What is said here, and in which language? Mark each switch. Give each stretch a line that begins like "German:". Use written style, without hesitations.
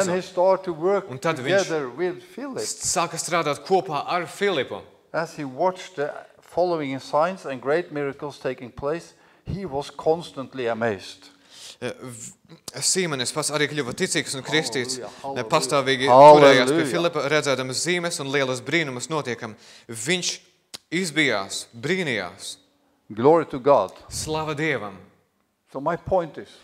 English: And then he started to work together with Philip.
Latvian: Sāka strādāt kopā ar Filipu.
English: As he watched the following signs and great miracles taking place, he was constantly amazed.
Latvian: Sīmanis pats arī kļuva ticīgs un kristīts, pastāvīgi turējās pie Filipa, redzēdams zīmes un lielas brīnumas notiekam. Viņš izbijās, brīnījās.
English: Glory to God.
Latvian: Slava Dievam.
English: So my point is,